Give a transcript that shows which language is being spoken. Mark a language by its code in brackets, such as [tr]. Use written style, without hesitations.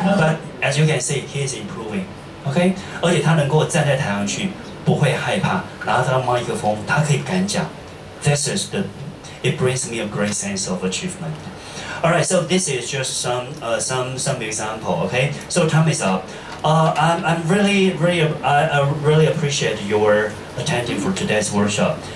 [en] But as you can see, he is improving. Okay? [zh] 而且他能够站在台上去，不会害怕，拿着他的麦克风，他可以敢讲。 [en] This is the, it brings me a great sense of achievement. All right, so this is just some example, okay? So time is up. I really appreciate your attending for today's workshop.